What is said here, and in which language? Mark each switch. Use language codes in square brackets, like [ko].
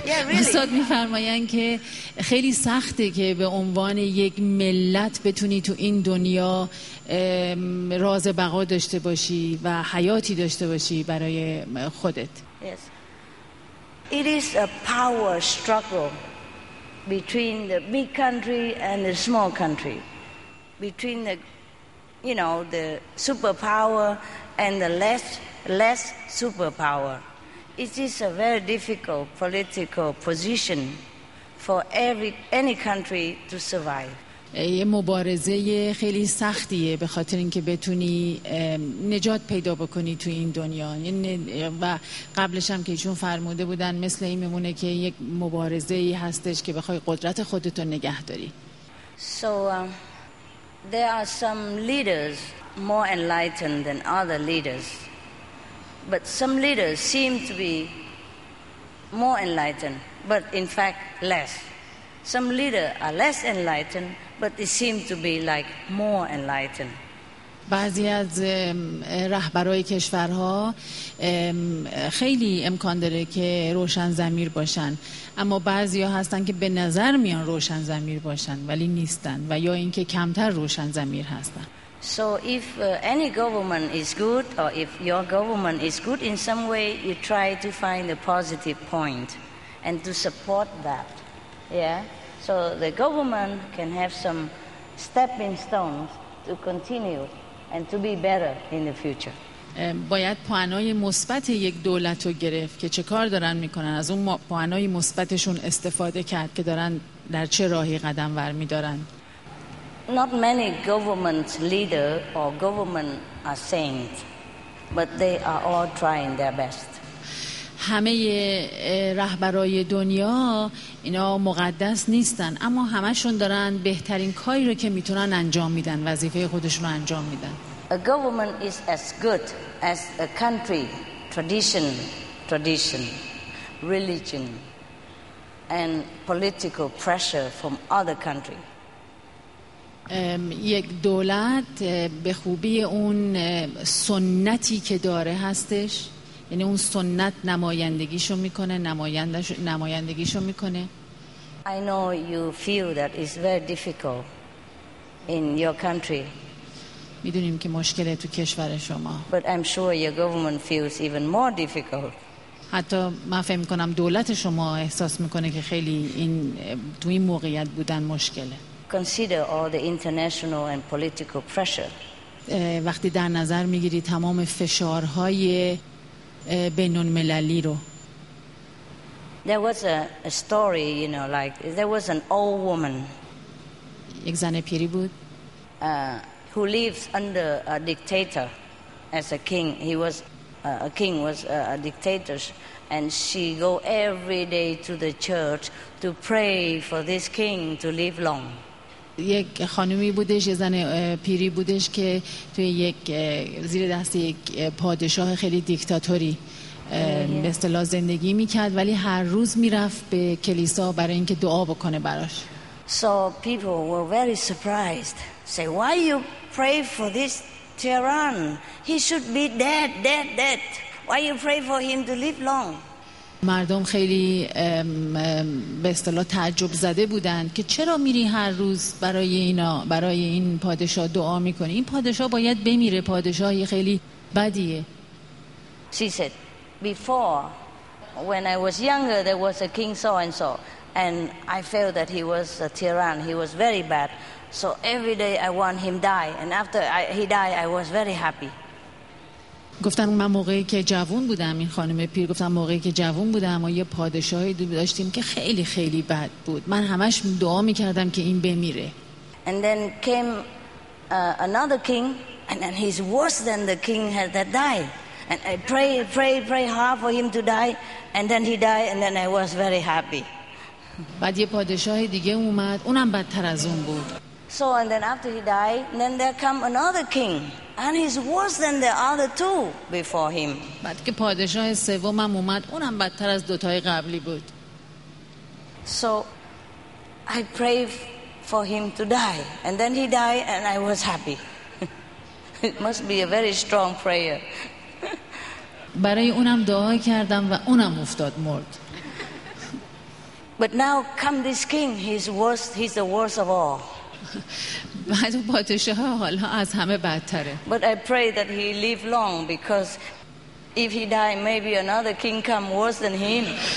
[fa] استاد میفرمایند که خیلی سخته که به عنوان یک ملت بتونی تو این دنیا راز بقا داشته باشی و حیاتی داشته باشی برای خودت. [en] Yes. It is a power struggle between the big country and the small country. Between the, you know, the superpower and the less superpower. It is a very difficult political position for any country to survive. [fa] یه مبارزه خیلی سختیه به خاطر اینکه بتونی نجات پیدا بکنی تو این دنیا، و قبلش هم که ایشون فرموده بودن مثل این میمونه که یک مبارزه ای هستش که بخوای قدرت خودتو نگه داری. [en] So there are some leaders more enlightened than other leaders, but some leaders seem to be more enlightened, but in fact less. Some leaders are less enlightened, but they seem to be like more enlightened. [fa] بعضی از رهبرای کشورها خیلی امکان داره که روشن ضمیر باشن، اما بعضیا هستن که به نظر میان روشن ضمیر باشن ولی نیستن، و یا اینکه کمتر روشن ضمیر هستن. [en] So if any government is good, or if your government is good in some way, you try to find a positive point and to support that. Yeah. So the government can have some stepping stones to continue and to be better in the future. [fa] باید پوانای مثبت یک دولت رو گرفت که چه کار دارن میکنن، از اون پوانای مثبتشون استفاده کرد که دارن در چه راهی قدم ور میدارن. [en] Not many government leader or government are saints, but they are all trying their best. [fa] همه رهبرای دنیا اینا مقدس نیستن، اما همشون دارن بهترین کاری رو که میتونن انجام میدن، وظیفه خودشون رو انجام میدن. [en] A government is as good as a country tradition, religion and political pressure from other country. [fa] یک دولت به خوبی اون سنتی که داره هستش، یعنی اون سنت نمایندگیشو میکنه، نمایندگیشو میکنه. [en] I know you feel that it's very difficult in your country. [fa] میدونیم که مشکل تو کشور شما. [en] But I'm sure your government feels even more difficult. [fa] حتی من فهم میکنم دولت شما احساس میکنه که خیلی این تو این موقعیت بودن مشکله. [en] Consider all the international and political pressure. [fa] وقتی در نظر میگیری تمام فشارهای بین المللی رو. [en] There was a story, you know, like there was an old woman. [fa] یک زن پیری بود. [en] Who lives under a dictator as a king. He was a king, was a dictator, and she go every day to the church to pray for this king to live long. [fa] یک خانومی بودش، یه زن پیری بودش که توی یک زیر دست یک پادشاه خیلی دیکتاتوری به اصطلاح زندگی میکرد، ولی هر روز میرفت به کلیسا برای اینکه دعا بکنه براش. [en] So people were very surprised. Say, why you pray for this tyrant? He should be dead. Why you pray for him to live long? [fa] مردم خیلی به اصطلاح تعجب زده بودند که چرا میری هر روز برای اینا، برای این پادشاه دعا میکنی؟ این پادشاه باید بمیره، پادشاهی خیلی بدیه. [en] She said, before, when I was younger, there was a king so and so, and I felt that he was a tyrant. He was very bad. So every day I want him die, and after he died, I was very happy. [fa] گفتن من موقعی که جوان بودم، این خانم پیر گفتن موقعی که جوان بودم و یه پادشاهی داشتیم که خیلی خیلی بد بود، من همش دعا میکردم که این بمیره. [en] And then came another king, and then he's worse than the king had that died. And I pray hard for him to die, and then he died, and then I was very happy. [fa] بعد یه پادشاه دیگه اومد، اونم بدتر از اون بود. [en] So and then after he died, then there come another king. And he's worse than the other two before him. [fa] بعد که پادشاه سومم اومد، اونم بدتر از دوتای قبلی بود. [en] So I pray for him to die. And then he died and I was happy. It must be a very strong prayer. [fa] برای اونم دعا کردم و اونم افتاد مرد. [en] But now come this king, he's the worst of all. [fa] بعد اون پادشاه حالا از همه بدتره. [en] But I pray that he live long, because if he die, maybe another king come worse than him.